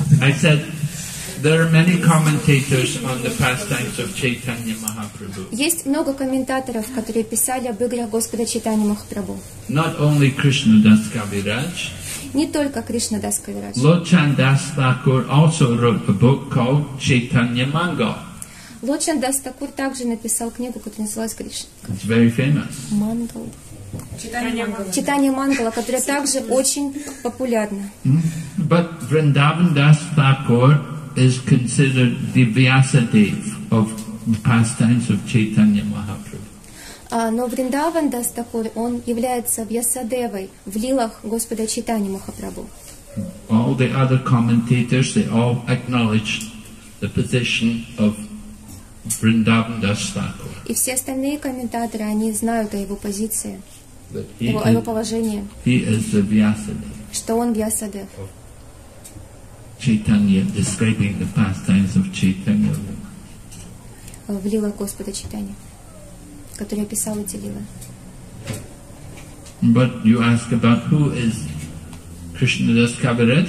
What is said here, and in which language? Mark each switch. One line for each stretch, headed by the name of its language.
English: I said, there are many commentators on the pastimes of Chaitanya Mahaprabhu.
Russian: Есть много комментаторов, которые писали об играх Господа Чайтаньи Махапрабху.
English: Not only Krishna Das Kaviraj.
Russian: Не только Кришна Дас Кавирадж.
English: Lochan Das Thakur also wrote a book called Chaitanya Mangal.
Russian: Lochan Das Thakur также написал книгу, которая называлась Кришна.
English: It's very famous.
Russian: Мангал. Читание Мангала, которое также очень популярно.
English: But Vrindavan Das Thakur is considered the Vyasadev of the pastimes of Chaitanya Mahaprabhu.
Russian: Но Вриндаван Дас Такур, он является Вьясадевой в лилах Господа Чайтаньи Махапрабху.
English: All the other commentators, they all acknowledge the position of Vrindavan Das Thakur.
Russian: И все остальные комментаторы, они знают о его позиции, о его положении.
English: He is the Vyasadev.
Russian: Что он Вьясадев.
English: Chaitanya, describing the pastimes of Chaitanya.
Russian: В лилах Господа Чайтаньи, который описал эти лилы.
English: But you ask about who is Krishna Das Kaviraj?